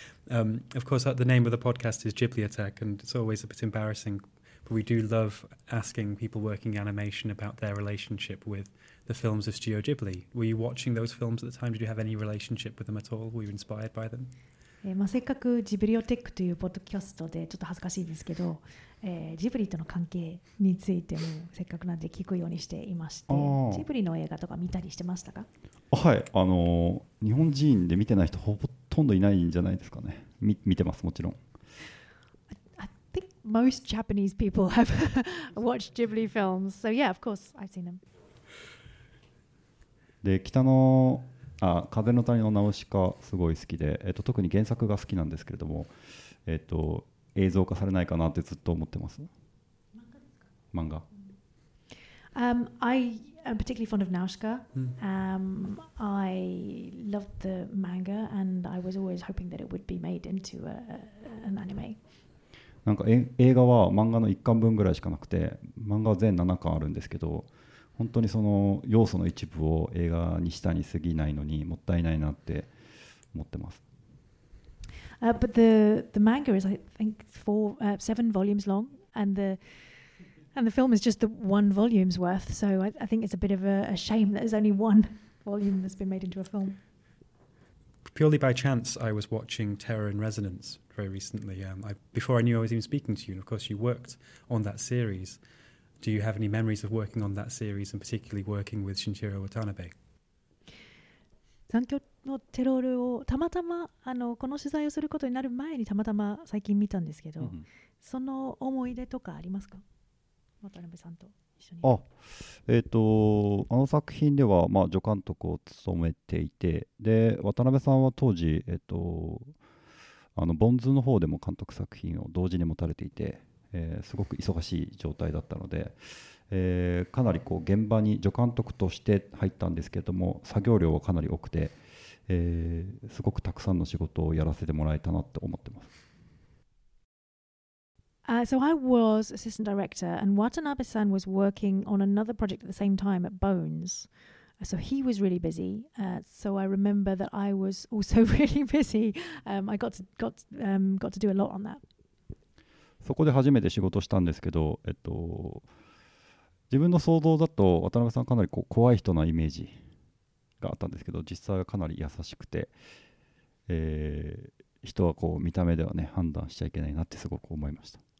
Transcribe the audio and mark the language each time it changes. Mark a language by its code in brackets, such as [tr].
[en] Of course, the name of the podcast is Ghibli Attack, and it's always a bit embarrassing, but we do love asking people working animation about their relationship with the films of Studio Ghibli. Were you watching those films at the time? Did you have any relationship with them at all? Were you inspired by them? [ja] せっかくジブリオテックというポッドキャストでちょっと恥ずかしいですけど、ジブリとの関係についてもせっかくなんで聞くようにしていまして、ジブリの映画とか見たりしてましたか？はい、日本人で見てない人ほとんどいないんじゃないですかね。見てますもちろん。 [en] I think most Japanese people have watched Ghibli films, so yeah, of course, I've seen them. [ja] で、北の風の谷のナウシカすごい好きで、特に原作が好きなんですけれども、映像化されないかなってずっと思ってます。漫画ですか？漫画。 [en] I'm particularly fond of Naushka. I loved the manga and I was always hoping that it would be made into an anime. [ja] なんか映画は漫画の1巻分ぐらいしかなくて、漫画は全7巻あるんですけど、本当にその要素の一部を映画にしたに過ぎないのにもったいないなって思ってます。 [en] But the manga is I think seven volumes long and the film is just the one volume's worth, so I think it's a bit of a shame that there's only one volume that's been made into a film. Purely by chance, I was watching Terror in Resonance very recently. Before I knew I was even speaking to you, and of course you worked on that series. Do you have any memories of working on that series and particularly working with Shinichiro Watanabe? [ja] 残響のテロールをたまたまこの取材をすることになる前にたまたま最近見たんですけど、その思い出とかありますか？渡辺さんと一緒に。あの作品では、助監督を務めていて、で渡辺さんは当時、ボンズの方でも監督作品を同時に持たれていて、すごく忙しい状態だったので、かなりこう現場に助監督として入ったんですけれども、作業量はかなり多くて、すごくたくさんの仕事をやらせてもらえたなって思ってます。 [en] So I was assistant director and Watanabe-san was working on another project at the same time at Bones. So he was really busy. So I remember that I was also really busy. I got to do a lot on that. [ja] そこで初めて仕事したんですけど、自分の想像だと渡辺さんかなりこう怖い人なイメージがあったんですけど、実際はかなり優しくて、人はこう見た目ではね判断しちゃいけないなってすごく思いました。